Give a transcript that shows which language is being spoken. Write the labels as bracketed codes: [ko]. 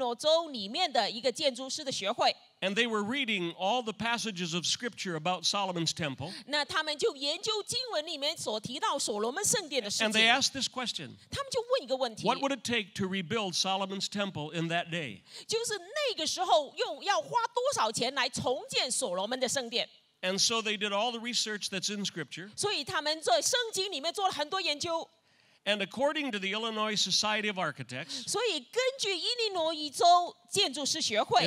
[zh] 他们是在我们所住的州伊利诺州里面的一个建筑师的学会。 [en] And they were reading all the passages of Scripture about Solomon's temple. [zh] 那他们就研究经文里面所提到所罗门圣殿的事情。 [en] And they asked this question. [zh] 他们就问一个问题。 [en] What would it take to rebuild Solomon's temple in that day? [zh] 就是那个时候用要花多少钱来重建所罗门的圣殿。 [en] And so they did all the research that's in Scripture. [zh] 所以他们在圣经里面做了很多研究。 [en] And according to the Illinois Society of Architects, [zh] 所以根据伊利诺伊州建筑师学会,